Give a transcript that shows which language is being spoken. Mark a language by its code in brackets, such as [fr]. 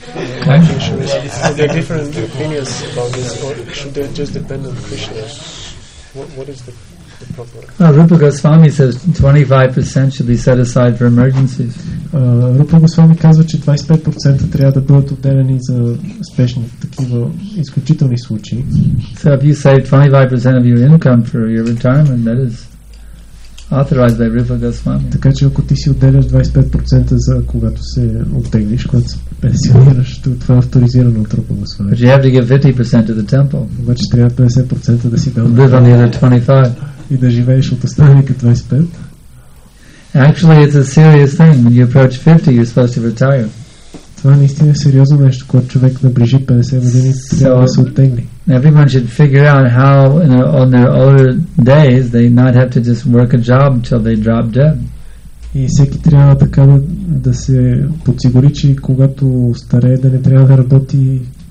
[en] So there are different opinions about this, or should they just depend on Krishna? What is the proper? Rupa Goswami says 25% should be set aside for emergencies. [bg] Рупа Госвами казва, че 25% трябва да бъдат отделени за спешни такива изключителни случаи. [en] So if you save 25% of your income for your retirement, that is authorized by Rupa Goswami. [bg] Така че ако ти си отделяш 25% за когато се оттеглиш, когато се пенсионираш, това е авторизирано от Рупа Госвами. [en] But you have to give 50% to the temple. [bg] Обаче трябва 50% да си дал. [en] Live on the other 25%. [bg] И да живееш от останалите 25%. [en] Actually, it's a serious thing. When you approach 50, you're supposed to retire. [bg] Това наистина е сериозно нещо, когато човек наближи 50 години, трябва да се оттегли. [en] Everyone should figure out how, on their older days, they not have to just work a job until they drop dead. [bg] И всеки трябва така да се подсигури, че когато старее, да не трябва да работи.